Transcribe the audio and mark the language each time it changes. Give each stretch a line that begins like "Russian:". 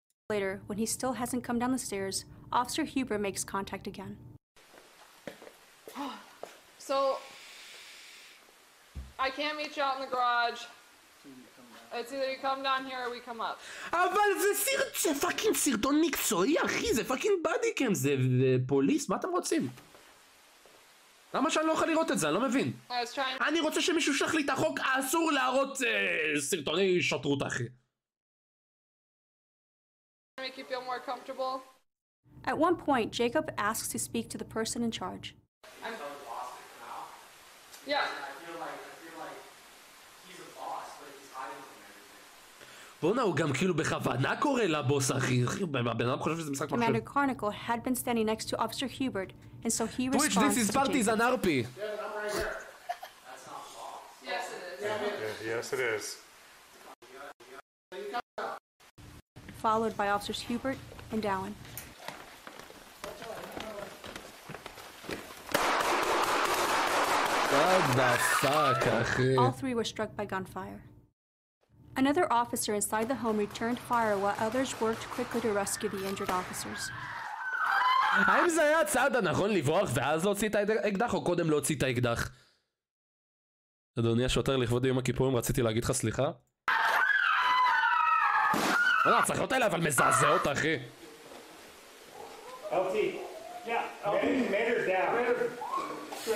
English: Later, when he still hasn't come down the stairs, Officer Huber makes contact again. So, I can't meet you out in the garage. It's either you come down here or we come up.
Hebrew: אבל זה סרט, זה פאקינג סרטון מקצועי, אחי, זה פאקינג בדי קאם, זה פוליס, מה אתם רוצים? למה שאני לא יכול לראות את זה? אני לא מבין. אני רוצה שמישהו שלח לי את החוק, אסור להראות סרטוני שוטרות, אחי.
English: Make you feel more comfortable. At one point, Jacob asks to speak to the person in charge. I'm so lost right now. Yeah. I feel like he's a boss, but he's hiding everything.
Hebrew: בונה, הוא גם כאילו בכוונה קורא לבוס, אחי. בן אדם חושב שזה משחק מחשב.
English: Commander Carnicle had been standing next to Officer Hubert, and so he responds to Jacob. Twitch, this is Partizan RP. Yeah, but I'm right here. That's not boss. Yes, it is. Yes, it is. Followed by Officers Huber and Dowen. What the fuck, אחי? All three were struck by gunfire. Another officer inside the home returned fire while others worked quickly to rescue the injured officers.
Hebrew: האם זה היה הצעד הנכון לברוח ואז להוציא את האקדח או קודם להוציא את האקדח? אדוני השוטר, לכבוד יום הכיפורים, רציתי להגיד לך סליחה. לא, צריך להיות אליי, אבל מזעזע אותה, אחי.
English: LT. Yeah. Okay. Major is down.